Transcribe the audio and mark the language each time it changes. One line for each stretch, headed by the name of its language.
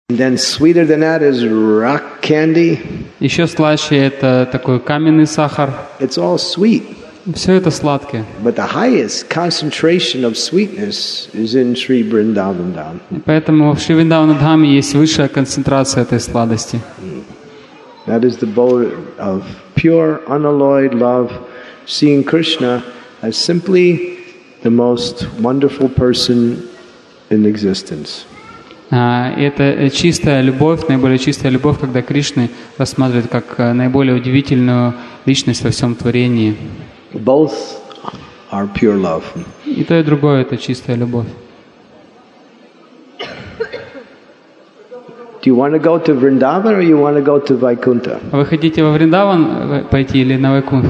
English: And then sweeter than that is rock candy.
Russian: Еще слаще это такой каменный сахар.
English: It's all sweet.
Russian: Все это сладкое.
English: But the highest concentration of sweetness is in Sri Vrindavan Dham.
Russian: Поэтому в Шри Вриндавана Дхаме есть высшая концентрация этой сладости.
English: That is the abode of pure, unalloyed love, seeing Krishna as simply the most wonderful person in existence.
Russian: Это чистая любовь, наиболее чистая любовь, когда Кришна рассматривает как наиболее удивительную личность во всем творении.
English: Both are pure love.
Russian: И то, и другое — это чистая любовь.
English: Do you want to go to Vrindavan or you want to go to Vaikuntha?
Russian: Вы хотите во Вриндаван пойти или на Вайкунту?